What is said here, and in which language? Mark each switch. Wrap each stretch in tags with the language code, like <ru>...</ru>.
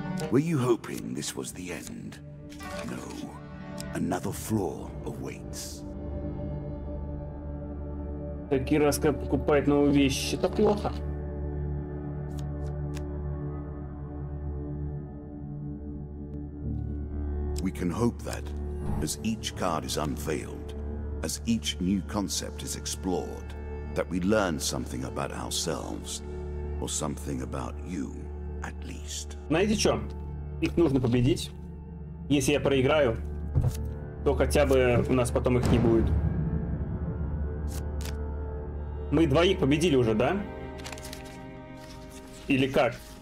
<en>Were you hoping this was the end? No, another floor awaits.</en> <ru>Такие раз, как покупает новые вещи, это плохо.</ru> <en>We can hope that, as each card is unveiled, as each new concept is explored, that we learn something about ourselves, or something about you, at least.</en> <ru>Знаете что? Их нужно победить. Если я проиграю, то хотя бы у нас потом их не будет. Мы двоих победили уже, да? Или как?</ru>